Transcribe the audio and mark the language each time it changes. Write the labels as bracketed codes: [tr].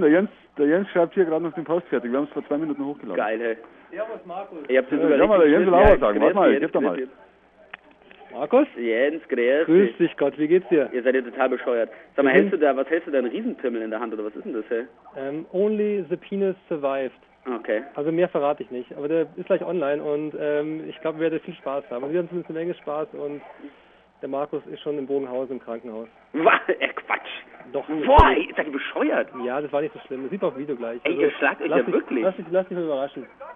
[de] Der Jens schreibt hier gerade noch den Post fertig. Wir haben es vor 2 Minuten hochgeladen. Geil, hey. Servus, Markus. Ihr habt sogar ja, mal der Jens will auch was sagen. Warte mal, gib doch mal. Markus? Jens, grüß. Grüß dich Gott, wie geht's dir? Ihr seid ja total bescheuert. Sag mal, hältst du da einen Riesenpimmel in der Hand, oder was ist denn das, hey? [en] Only the penis survived. Okay. [de] Also mehr verrate ich nicht. Aber der ist gleich online und ich glaube, wir werden viel Spaß haben. Wir haben zumindest eine Menge Spaß und der Markus ist schon im Bogenhaus im Krankenhaus. Was? Ey, Quatsch. Doch. Boah, seid ihr bescheuert? Ja, das war nicht so schlimm. Das sieht man auf dem Video gleich. Ey, ihr schlagt euch ja wirklich. Lass dich mal überraschen.